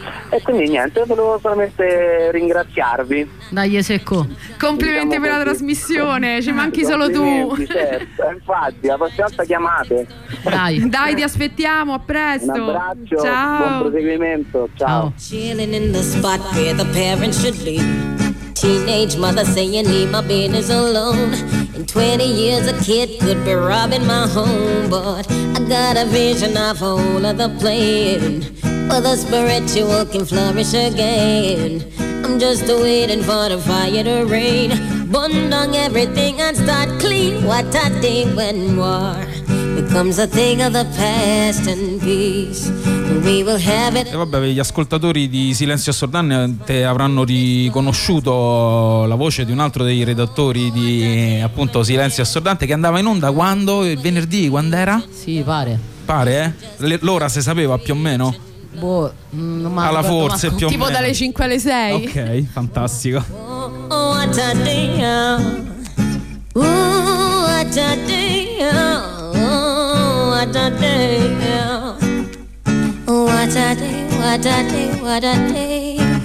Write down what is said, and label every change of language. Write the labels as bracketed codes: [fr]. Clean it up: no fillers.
[it] E quindi niente, volevo solamente ringraziarvi. Dai, secco. Complimenti, diciamo, per la trasmissione, ci manchi solo tu. Certo, infatti, la prossima volta chiamate. Dai, dai, ti aspettiamo, a presto. Un abbraccio, ciao. Buon proseguimento, ciao. [en] Chilling in the spot where the parents should leave. Teenage mother saying leave my business alone. In 20 years a kid could be robbing my home. But I got a vision of a whole other plan. For the spiritual can flourish again. I'm just waiting for the fire to rain. Bundong everything and start clean. What a day when war becomes a thing of the past and peace. [it] E vabbè, gli ascoltatori di Silenzio Assordante avranno riconosciuto la voce di un altro dei redattori di appunto Silenzio Assordante, che andava in onda quando? Il venerdì, quando era? Sì, pare. Pare, eh? L'ora si sapeva più o meno? Boh, ma alla forse più o tipo meno. Tipo dalle 5 alle 6. Ok, fantastico. [en] Oh, what a day, oh, what a day, oh, what a day, oh. What a day, what a day, what a day.